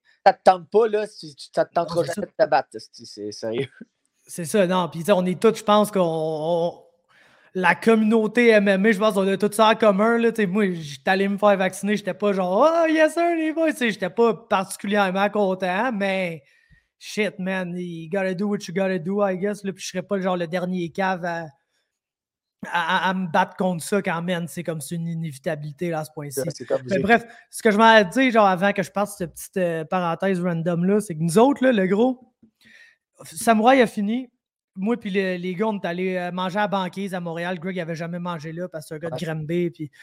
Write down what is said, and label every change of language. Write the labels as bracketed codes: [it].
[fr] Ça te tente pas, là, si tu te tentes pas jamais de te battre, c'est sérieux. C'est ça, non. Puis on est tous, je pense, la communauté MMA, je pense, on a tout ça en commun, là. Tu sais, moi, j'étais allé me faire vacciner, j'étais pas genre, [en] oh, yes, sir, [fr] les boys, tu sais, j'étais pas particulièrement content, mais. [en] Shit, man, you gotta do what you gotta do, I guess. [fr] Là, puis je serais pas genre le dernier cave à me battre contre ça quand même. C'est comme c'est une inévitabilité là, à ce point-ci. Ouais, mais bref, ce que je m'en ai dit genre, avant que je parte cette petite parenthèse random-là, c'est que nous autres, là, le gros, Samouraï a fini. Moi puis les gars, on est allés manger à la banquise à Montréal. Greg n'avait jamais mangé là parce que c'est un gars de Granby. Puis...